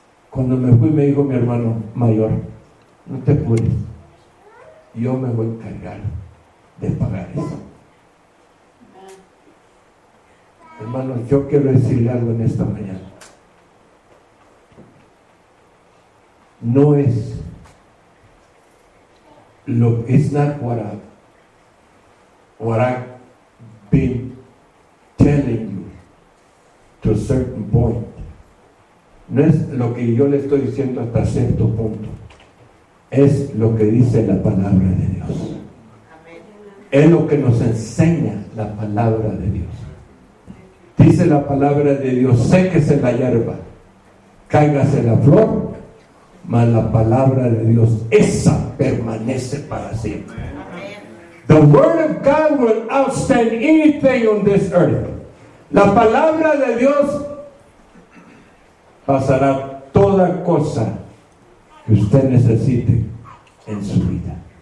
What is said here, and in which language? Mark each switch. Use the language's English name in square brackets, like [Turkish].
[Spanish] Cuando me fui, me dijo mi hermano mayor, no te apures, yo me voy a encargar de pagar eso. Hermanos, yo quiero decirle algo en esta mañana. No es lo, [English] it's not what I've been telling you to a certain point. [Spanish] No es lo que yo le estoy diciendo hasta cierto punto. Es lo que dice la palabra de Dios. Es lo que nos enseña la palabra de Dios. Dice la palabra de Dios, séquese la hierba, cáigase la flor, mas la palabra de Dios, esa permanece para siempre. [English] The word of God will outstand anything on this earth. [Spanish] La palabra de Dios pasará toda cosa que usted necesite en su vida.